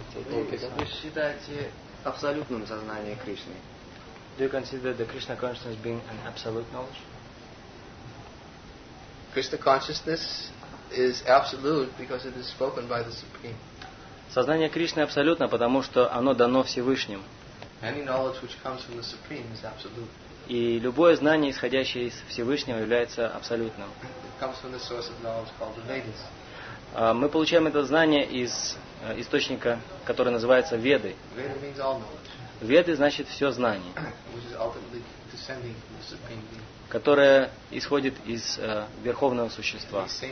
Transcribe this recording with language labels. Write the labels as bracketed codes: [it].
[ru] Вы считаете абсолютным сознание Кришны? [en] Do you consider the Krishna consciousness being an absolute knowledge? Krishna consciousness is absolute because it is spoken by the Supreme. [ru] Сознание Кришны абсолютно, потому что оно дано Всевышним. [en] Any knowledge which comes from the Supreme is absolute. [ru] И любое знание, исходящее из Всевышнего, является абсолютным. [en] It comes from the source of knowledge called the Vedas. [ru] Мы получаем это знание из источника, который называется Веды. [en] Veda means all knowledge. [ru] Веды значит все знание. [en] Which is ultimately descending from the Supreme Being. [ru] Которая исходит из Верховного Существа.